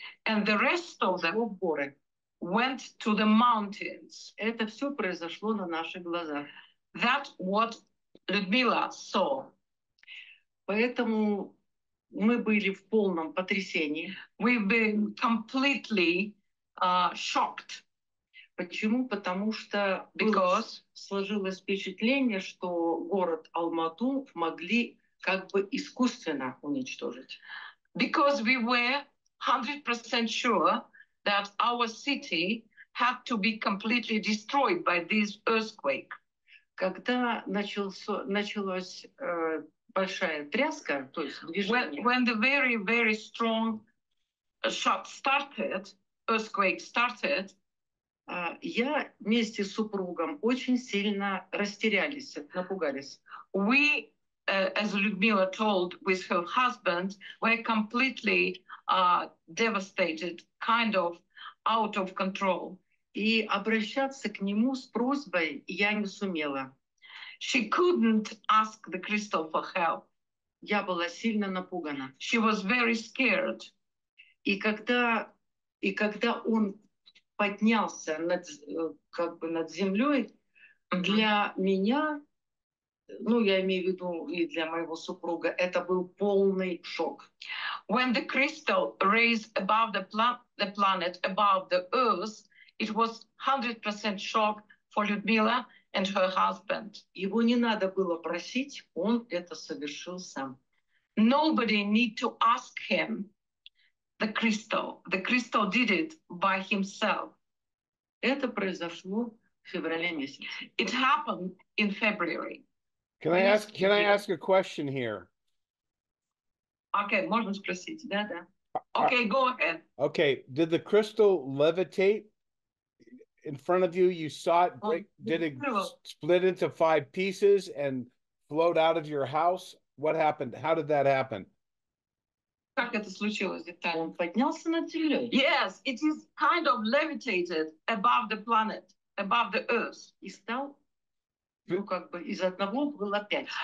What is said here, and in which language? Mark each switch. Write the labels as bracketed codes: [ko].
[en] and the rest of them went to the mountains. [ru] Это все произошло на наших глазах. [en] That's what Ludmila saw. [ru] Поэтому мы были в полном потрясении. [en] We've been completely shocked. [ru] Почему? Потому что [en] Because [ru] сложилось впечатление, что город Алмату могли как бы искусственно уничтожить. [en] Because we were 100% sure that our city had to be completely destroyed by this earthquake. [ru] Когда началась большая тряска, то есть движение, [en] when the very, very strong shock started, earthquake started, [ru] я вместе с супругом очень сильно растерялись, напугались. [en] We, as Людмила told with her husband, were completely devastated, kind of out of control. [ru] И обращаться к нему с просьбой я не сумела. [en] She couldn't ask the crystal for help. [ru] Я была сильно напугана. [en] She was very scared. [ru] И когда он поднялся над, как бы над землей, mm-hmm. для меня, ну, я имею в виду и для моего супруга, это был полный шок. [en] When the crystal raised above the planet, above the earth, it was 100% shock for Ludmila and her husband. [ru] Его не надо было просить, он это совершил сам. [en] Nobody need to ask him the crystal. The crystal did it by himself. [ru] Это произошло в феврале месяце. [en] It happened in February. Can I ask a question here? [ru] Okay, можно спросить. Да, да. [en] Okay, go ahead. Okay, did the crystal levitate in front of you? You saw it break, did it split into 5 pieces and float out of your house? What happened? How did that happen? [ru] Как это случилось? Детально. Он поднялся над землёй. [en] Yes, it is kind of levitated above the planet, above the earth. [ru] И стал, ну, как бы из одного было 5.